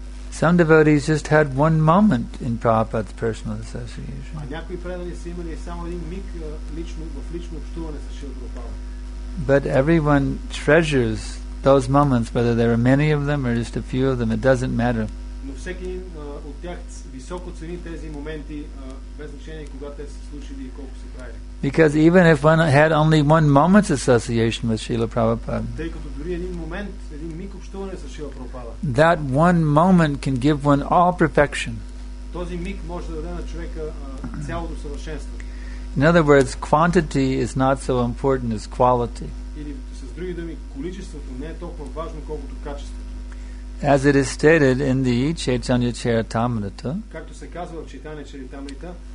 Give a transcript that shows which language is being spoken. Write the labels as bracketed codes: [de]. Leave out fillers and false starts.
[en] Some devotees just had one moment in Prabhupada's personal association. But everyone treasures those moments, whether there are many of them or just a few of them, it doesn't matter. [bg] Но всеки един от тях високо цени тези моменти, без значение кога те са случили и колко са правили. [en] Because even if one had only one moment's association with Srila Prabhupada, [bg] тъй като дори един момент, един миг общуване с Шрила Прабхупада, [en] that one moment can give one all perfection. [bg] Този миг може да даде на човека цялото съвършенство. [en] In other words, quantity is not so important as quality. [bg] Или с други думи, количеството не е толкова важно, колкото качеството. [en] As it is stated in the Chaitanya Charitamrita, [bg] както се казва в Chaitanya Charitamrita,